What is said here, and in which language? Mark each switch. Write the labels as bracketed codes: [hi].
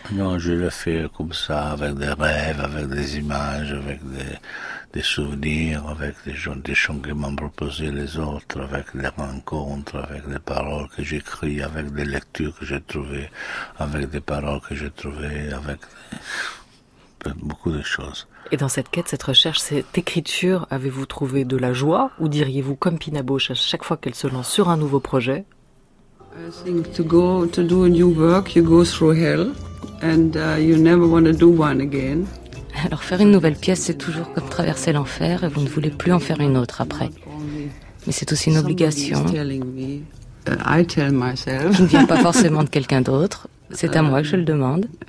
[fr] Non, je l'ai fait comme ça, avec des rêves, avec des images, avec des souvenirs, avec des gens qui m'ont proposé les autres, avec des rencontres, avec des paroles que j'écris, avec des lectures que j'ai trouvées, avec des paroles que j'ai trouvées, avec beaucoup de choses. Et dans cette quête, cette recherche, cette écriture, avez-vous trouvé de la joie? Ou diriez-vous, comme Pina Bausch, à chaque fois qu'elle se lance sur un nouveau projet? [en] I think to do a new work, you go through hell, and you never want to do one again. [fr] Alors faire une nouvelle pièce, c'est toujours comme traverser l'enfer, et vous ne voulez plus en faire une autre après. Mais c'est aussi une obligation. [en] I tell myself. [fr] Qui ne vient pas forcément de quelqu'un d'autre, C'est à moi que je le demande.